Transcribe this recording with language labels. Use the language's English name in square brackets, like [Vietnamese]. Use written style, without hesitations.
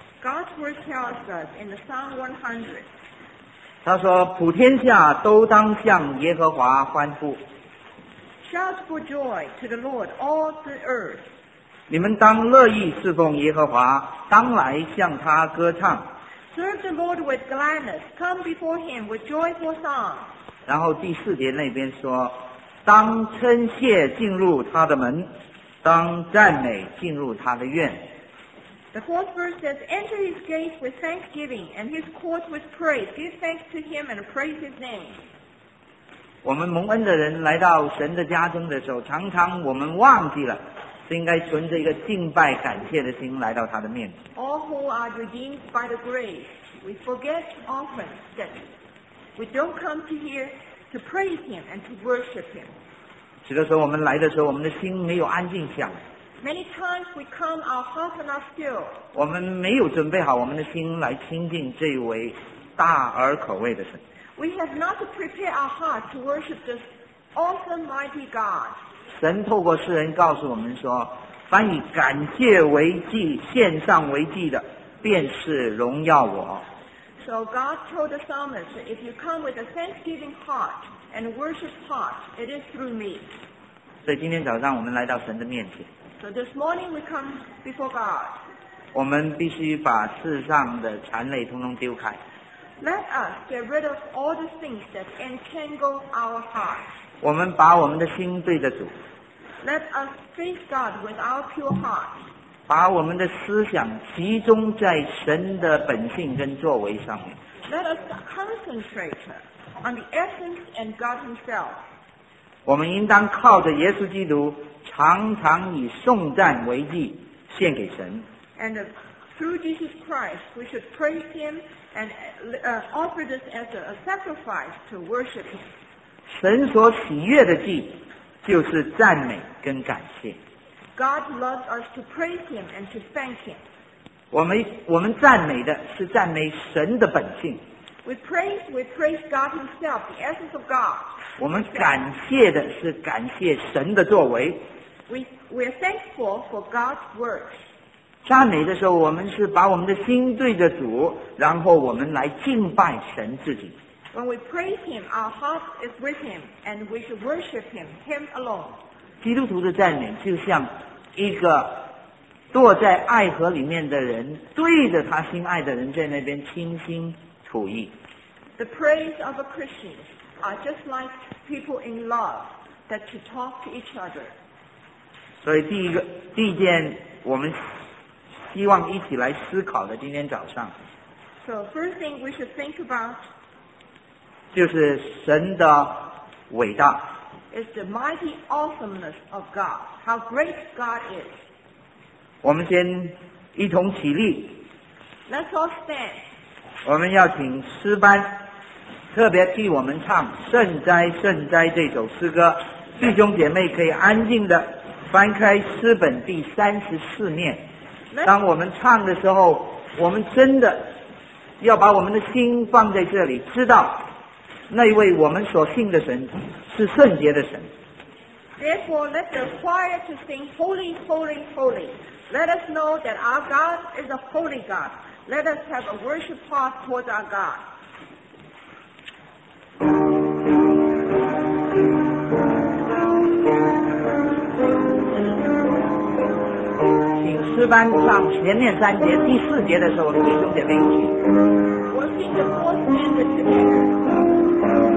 [English] God's word tells us in the Psalm 100, [Chinese] 他说普天下都当向耶和华欢呼， [English] Shout for joy to the Lord all the earth, [Chinese] 你们当乐意侍奉耶和华，当来向他歌唱， [English] Serve the Lord with gladness, come before him with joyful song. [Chinese] 然后第四节那边说，当称谢进入他的门，当赞美进入他的院。 [English] The fourth verse says, Enter his gates with thanksgiving and his courts with praise. Give thanks to him and praise his name. [Chinese] 我们蒙恩的人来到神的家中的时候，常常我们忘记了，是应该存着一个敬拜感谢的心来到他的面前。 [English] All who are redeemed by the grace We forget often that we don't come to hear to praise Him and to worship Him. [Chinese] 许多时候我们来的时候，我们的心没有安静下来。 [English] Many times we come, our hearts are not still. [Chinese] 我们没有准备好我们的心来亲近这位大而可畏的神。 [English] We have not prepared our hearts to worship this awesome, mighty God. [Chinese] 神透过世人告诉我们说，凡以感谢为祭、献上为祭的，便是荣耀我。 [English] So God told the psalmist, if you come with a thanksgiving heart and worship heart, it is through me. [Chinese] 所以今天早上我们来到神的面前。 [English] So this morning we come before God. [Chinese] 我们必须把世上的缠累通通丢开。 [English] Let us get rid of all the things that entangle our heart. [Chinese] 我们把我们的心对着主。 [English] Let us face God with our pure heart. [Chinese] 把我们的思想集中在神的本性跟作为上面。 [English] Let us concentrate on the essence and God Himself. [Chinese] 我们应当靠着耶稣基督常常以颂赞为祭献给神。 [English] And through Jesus Christ, we should praise Him and offer this as a sacrifice to worship Him. [Chinese] 神所喜悦的祭就是赞美跟感谢。 [English] God loves us to praise Him and to thank Him. [Chinese] 我们赞美的是赞美神的本性。 [English] We praise God Himself, the essence of God. [Chinese] 我们感谢的是感谢神的作为。 [English] We are thankful for God's works. [Chinese] 赞美的时候，我们是把我们的心对着主，然后我们来敬拜神自己。 [English] When we praise Him, our heart is with Him, and we should worship Him, Him alone. [Chinese] 基督徒的赞美就像一个坐在爱河里面的人，对着他心爱的人在那边倾心吐意。 [English] The praise of a Christian are just like people in love that should talk to each other. [Chinese] 所以第一件我们希望一起来思考的今天早上。 [English] So first thing we should think about [Chinese] 就是神的伟大。 [English] It's the mighty awesomeness of God. How great God is. [Chinese] 我们先一同起立。 [English] Let's all stand. [Chinese] 我们要请诗班特别替我们唱圣哉圣哉这首诗歌，弟兄姐妹可以安静的翻开诗本第34面。当我们唱的时候，我们真的要把我们的心放在这里，知道那一位我们所信的神是圣洁的神。 [English] Therefore let the choir to sing Holy, Holy, Holy. Let us know that our God is a holy GodLet us have a worship heart towards our God. [Chinese] Sing 诗班上前面三节第四节的时候，弟兄姐妹一起。 [English] We'll sing the fourth stanza together.